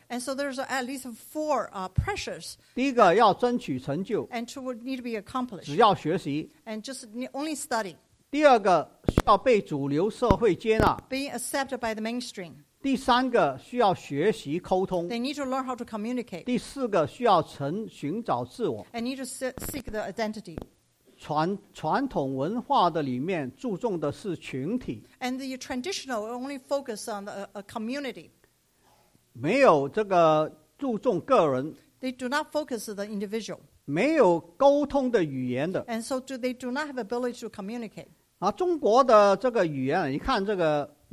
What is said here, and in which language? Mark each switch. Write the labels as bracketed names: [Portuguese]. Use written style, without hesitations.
[English] And so there's at least four pressures. [Chinese] 第一个要争取成就。 [English] And to need to be accomplished. [Chinese] 只要学习。 [English] And just only study. [Chinese] 第二个需要被主流社会接纳。 [English] Being accepted by the mainstream. [Chinese] 第三个需要学习沟通。 [English] They need to learn how to communicate. [Chinese] 第四个需要寻找自我。 [English] And need to seek the identity. [Chinese] 传统文化的里面注重的是群体。 [English] And the traditional only focus on a community. [Chinese] 没有这个注重个人。 [English] They do not focus on the individual. [Chinese] 没有沟通的语言的。 [English] And so they do not have ability to communicate. [Chinese] 啊，中国的这个语言，你看这个。